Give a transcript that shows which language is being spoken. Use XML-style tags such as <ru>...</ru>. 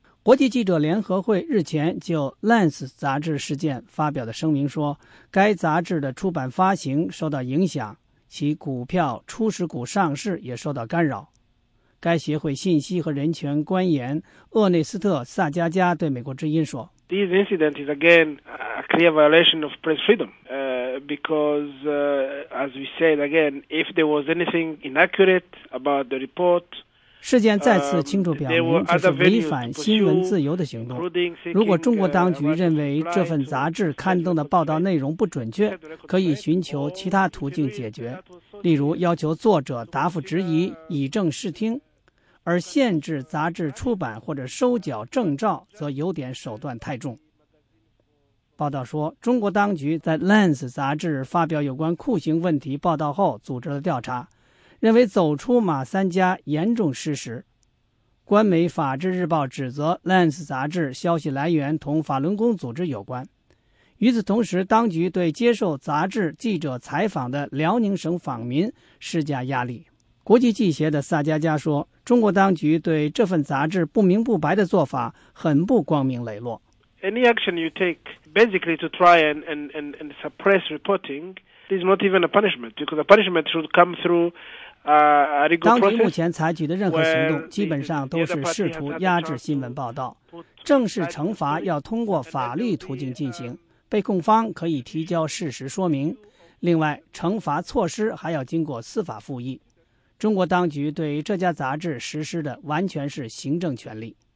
<zh>国际记者联合会日前就 Lens 杂志事件发表的声明说，该杂志的出版发行受到影响，其股票初始股上市也受到干扰。该协会信息和人权官员厄内斯特·萨加加对美国之音说，</zh> <en>This incident is again a clear violation of press freedom, because, as we said again, if there was anything inaccurate about the report,</en> <zh>事件再次清楚表明这是违反新闻自由的行动。如果中国当局认为这份杂志刊登的报道内容不准确，可以寻求其他途径解决，例如要求作者答复质疑，以正视听，而限制杂志出版或者收缴证照则有点手段太重。报道说，中国当局在 Lens 杂志发表有关酷刑问题报道后组织了调查，认为《走出马三家》严重失实。官媒《法制日报》指责《Lens》杂志消息来源同法轮功组织有关。与此同时，当局对接受杂志记者采访的辽宁省访民施加压力。国际记协的萨加加说，中国当局对这份杂志不明不白的做法很不光明磊落。</zh> <en>Any action you take basically to try and suppress reporting is not even a punishment, because a punishment should come through a legal process.</en> <zh>当局目前采取的任何行动基本上都是试图压制新闻报道。正式惩罚要通过法律途径进行，被控方可以提交事实说明。另外，惩罚措施还要经过司法复议。中国当局对这家杂志实施的完全是行政权力。</zh>